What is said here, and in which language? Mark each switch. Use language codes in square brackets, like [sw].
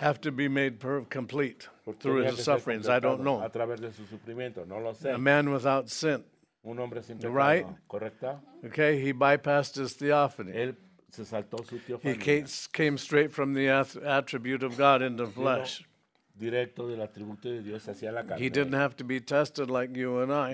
[en] have to be made complete through his sufferings? I don't know. [es] A través de su sufrimiento. No lo sé. [en] A man without sin. [es] Un hombre sin pecado, [en] right? [es] Correcta? [en] Okay, he bypassed his theophany. [es] Él se saltó su teofanía. [en] He came straight from the attribute of God into flesh. [es] Directo del atributo de Dios hacia la carne. [en] He didn't have to be tested like you and I.